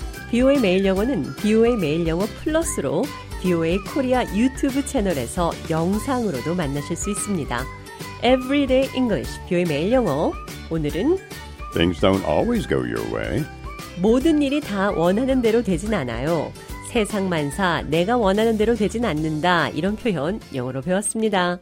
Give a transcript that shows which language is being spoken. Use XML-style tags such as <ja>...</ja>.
<ko>BOA 매일 영어는 BOA 매일 영어 플러스로 BOA 코리아 유튜브 채널에서 영상으로도 만나실 수 있습니다.</ko> <en>Everyday English, BOA 매일 영어.</en> <ko>오늘은</ko> <en>Things don't always go your way.</en> <ko>모든 일이 다 원하는 대로 되진 않아요. 세상 만사, 내가 원하는 대로 되진 않는다. 이런 표현 영어로 배웠습니다.</ko>